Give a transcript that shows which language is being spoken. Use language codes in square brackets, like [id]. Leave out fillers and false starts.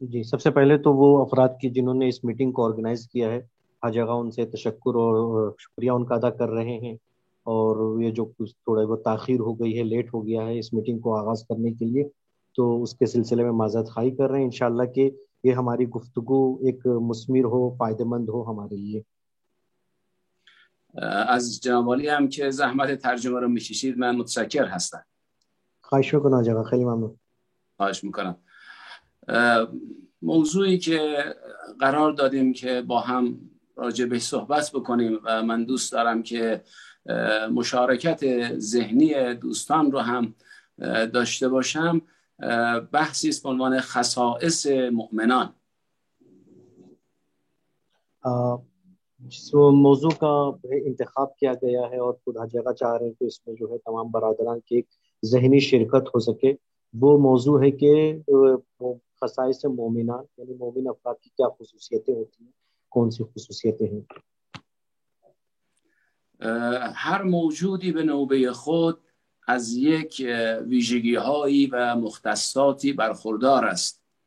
[ur] سب سے پہلے تو وہ افراد کی جنہوں نے اس میٹنگ کو آرگنائز کیا ہے ہر جگہ ان سے تشکر اور شکریہ ان کا ادا کر رہے ہیں، اور یہ جو کچھ تھوڑا بہت تاخیر ہو گئی ہے، لیٹ ہو گیا ہے اس میٹنگ کو آغاز کرنے کے لیے، تو اس کے سلسلے میں معذرت خواہی کر رہے ہیں. انشاءاللہ کہ یہ ہماری گفتگو ایک مثمر ہو، فائدہ مند ہو ہمارے لیے. [fa] از جناب عالی هم که زحمت ترجمه رو میکشید من متشکر هستم. خواهش میکنم آقا، خیلی ممنون. خواهش میکنم. موضوعی که قرار دادیم که با هم راجع به صحبت بکنیم و من دوست دارم که مشارکت ذهنی دوستان رو هم داشته باشم، بحثی است به عنوان خصائص مؤمنان. [ur] جس موضوع کا انتخاب کیا گیا ہے اور خود ہر جگہ چاہ رہے ہیں کہ اس میں جو ہے تمام برادران کی ایک ذہنی شرکت ہو سکے، وہ موضوع ہے کہ خصائص مومنان، یعنی مومن افراد کی کیا خصوصیتیں ہوتی ہیں، کون سی خصوصیتیں ہیں. [fa] هر موجودی به نوبه خود از یک ویژگی هایی و مختصاتی برخوردار است.